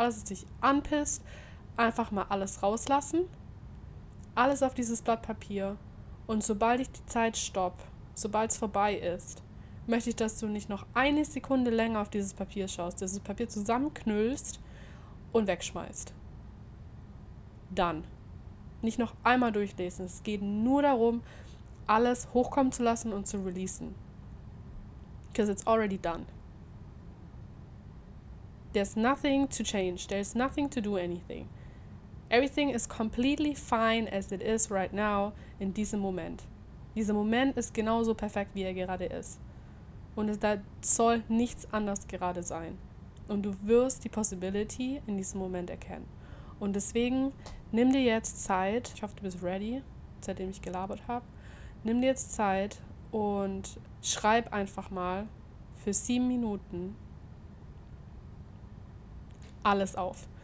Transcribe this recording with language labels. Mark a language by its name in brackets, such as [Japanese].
[German] Alles, was dich anpisst, einfach mal alles rauslassen, alles auf dieses Blatt Papier und sobald ich die Zeit stopp, sobald es vorbei ist, möchte ich, dass du nicht noch eine Sekunde länger auf dieses Papier schaust, dieses Papier zusammenknüllst und wegschmeißt. dann. Nicht noch einmal durchlesen. Es geht nur darum, alles hochkommen zu lassen und zu releasen. [English] Because it's already done. There's nothing to change. There's nothing to do anything. Everything is completely fine as it is right now [German] in diesem Moment. Dieser Moment ist genauso perfekt, wie er gerade ist. Und da soll nichts anders gerade sein. Und du wirst die Possibility in diesem Moment erkennen. Und deswegen nimm dir jetzt Zeit. Ich hoffe, du bist ready, seitdem ich gelabert habe. Nimm dir jetzt Zeit und schreib einfach mal für 7 Minuten alles auf.